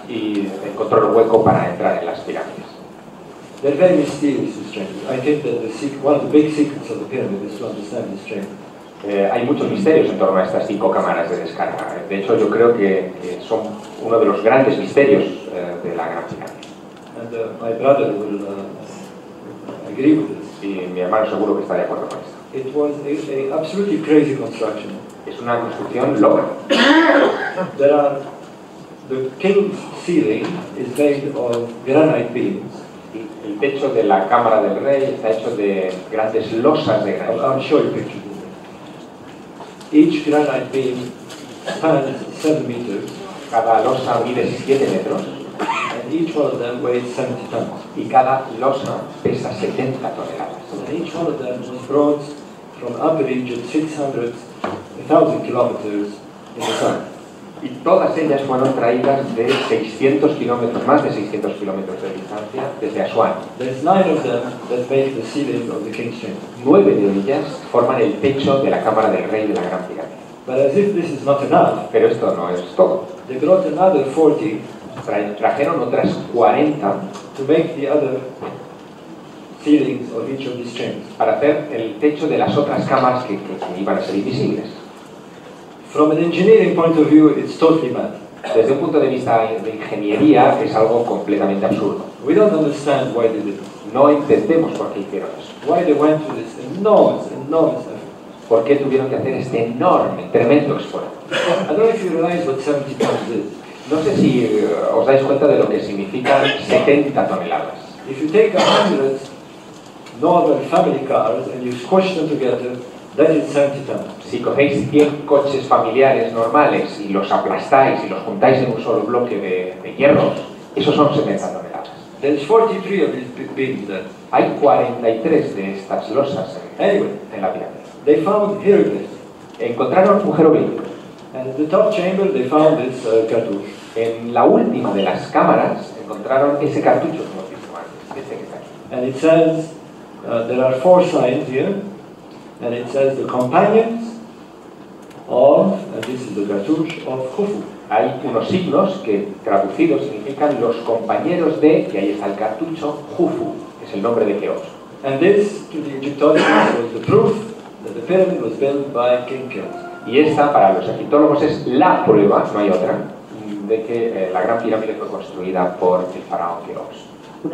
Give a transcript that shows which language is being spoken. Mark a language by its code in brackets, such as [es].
[es] Y encontró un hueco para entrar en las pirámides. [en] They're very mysterious, these chambers. I think that one of the big secrets of the pyramid is to understand this chamber. [es] Hay muchos misterios en torno a estas cinco cámaras de descarga. De hecho, yo creo que son uno de los grandes misterios de la Gran Pirámide. [en] My brother will agree with this. [es] Y mi hermano seguro que está de acuerdo con esto. [en] It was a absolutely crazy construction. [es] Es una construcción loca. [en] The king's ceiling is made of granite beams. [es] El techo de la cámara del rey está hecho de grandes losas de granito. [en] I'll show you pictures. Each granite beam spans 7 meters. [es] Cada losa mide 7 metros. [en] And each one of them weighs 70 tons. [es] Y cada losa pesa 70 toneladas. [en] And each one of them was brought from average of 600,000 kilometers in the sun. [es] Y todas ellas fueron traídas de 600 kilómetros, más de 600 kilómetros de distancia, desde Asuán. [en] There's 9 of them that make the ceiling of the King's Chamber. [es] 9 de ellas forman el techo de la cámara del rey de la Gran Pirámide. [en] But as if this is not enough. [es] Pero esto no es todo. [en] They brought another 40. [es] Trajeron otras 40. [en] To make the other ceilings of each of these chambers. [es] Para hacer el techo de las otras cámaras que iban a ser invisibles. [en] From an engineering point of view, it's totally mad. [es] Desde un punto de vista de ingeniería, es algo completamente absurdo. [en] We don't understand why they did it. [es] No entendemos por qué hicieron eso. [en] Why they went through this enormous, enormous effort. [es] ¿Por qué tuvieron que hacer este enorme, tremendo esfuerzo? [en] I don't know if you realize what 70 tons is. [es] No sé si os dais cuenta de lo que significan 70 toneladas. [en] If you take 100 normal family cars and you squash them together, that is 70 tons. [es] Si cogéis 100 coches familiares normales y los aplastáis y los juntáis en un solo bloque de hierro, esos son 70 toneladas. [en] There's 43 of these beams there. [es] Hay 43 de estas losas en la pirámide. [en] They found hieroglyphs. [es] Encontraron un jeroglífico. [en] And in the top chamber they found this cartouche. [es] En la última de las cámaras encontraron ese cartucho, como os dije antes, este que está aquí. [en] And it says there are four signs here. And it says the companions of, and this is the cartouche of Khufu. [es] Hay unos signos que traducidos significan los compañeros de, y ahí está el cartucho, Khufu, que es el nombre de Keops. [en] And this, to the Egyptologists, was the proof that the pyramid was built by King Keops. [es] Y esta, para los egiptólogos, es la prueba, no hay otra, de que la gran pirámide fue construida por el faraón Keops.